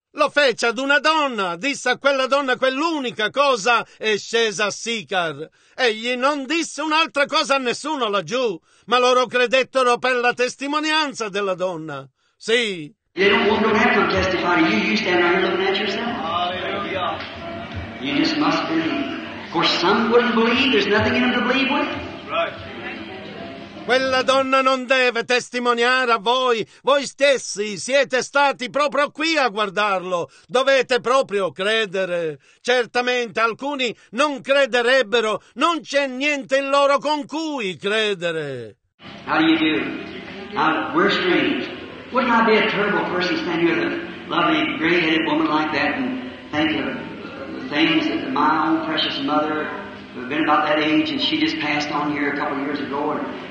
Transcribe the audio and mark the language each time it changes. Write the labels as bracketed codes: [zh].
[it] Lo fece ad una donna, disse a quella donna quell'unica cosa, e scesa a Sicar. Egli non disse un'altra cosa a nessuno laggiù, ma loro credettero per la testimonianza della donna. Sì. [en] You don't want to have to testify. You stand right here looking at yourself. Hallelujah. You just must believe. Of course, some wouldn't believe. There's nothing in them to believe with. Right. [it] Quella donna non deve testimoniare a voi. Voi stessi siete stati proprio qui a guardarlo. Dovete proprio credere. Certamente alcuni non crederebbero. Non c'è niente in loro con cui credere. [en] How do you do? We're strange. Wouldn't I be a terrible person standing here with a lovely, gray-headed woman like that and think of things that my own precious mother who had been about that age and she just passed on here a couple of years ago and...